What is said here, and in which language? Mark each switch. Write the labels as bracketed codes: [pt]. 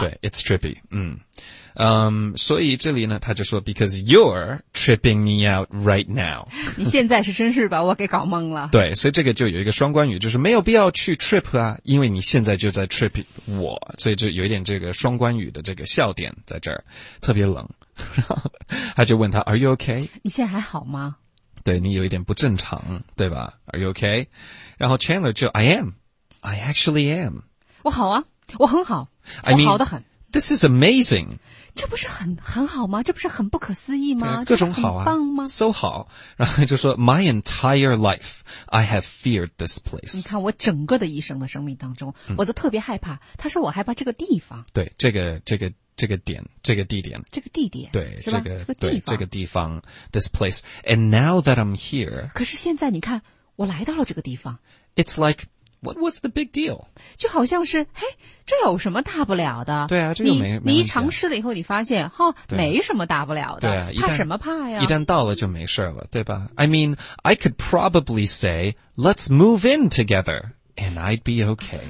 [en] 对 it's trippy [zh] 所以这里呢他就说 [en] because you're tripping me out right now [zh] 你现在是真是把我给搞懵了对所以这个就有一个双关语就是没有必要去 trip 啊因为你现在就在 trip 我所以就有一点这个双关语的这个笑点在这儿特别冷然后他就问他 [en] are you okay [zh] 你现在还好吗对你有一点不正常对吧 [en] are you okay [zh] 然后 Chandler 就 [en] I am I actually am [zh] 我好啊我很好我好得很 [en] I mean, this is amazing [zh] 这不是很好吗这不是很不可思议吗各种好啊棒吗 [en] so [zh] 好然后就说 [en] My entire life, I have feared this place. [zh] 你看我整个的一生的生命当中、嗯、我都特别害怕他说我害怕这个地方。对这个点这个地点。这个地点。对这个地方对这个地方 [en] ,this place. And now that I'm here. [zh] 可是现在你看我来到了这个地方。 [en] It's like, What was the big deal? [zh] 就好像是，嘿，这有什么大不了的？对啊，这又没你一尝试了以后，你发现，哈，没什么大不了的。对啊，怕什么怕呀？一旦到了就没事了，对吧 ？ [en] I mean, I could probably say, let's move in together, and I'd be okay.